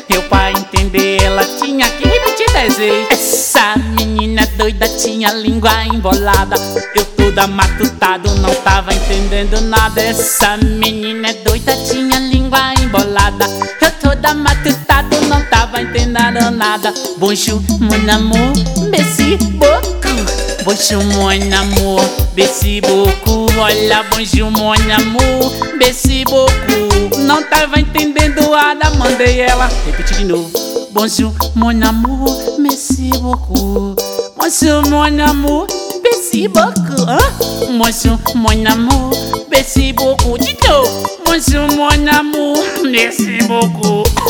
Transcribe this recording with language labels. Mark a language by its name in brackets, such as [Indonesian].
[Portuguese] Eu pra entender ela tinha que repetir 10 vezes. Essa menina doida tinha a língua embolada. Eu toda matutado não tava entendendo nada. Essa menina doida tinha a língua embolada. Eu toda matutado não tava entendendo nada. [French] Bonjour mon amour, merci beaucoup. Bonjour mon amour, merci beaucoup. Olha, bonjour mon amour, merci beaucoup. [Portuguese] Não tava entendendo nada, mandei ela repetir de novo. [French] Bonjour mon amour, merci beaucoup. Bonjour mon amour, merci beaucoup. Hein? Bonjour mon amour, merci beaucoup. [Portuguese] De novo. [French] Bonjour mon amour, merci beaucoup.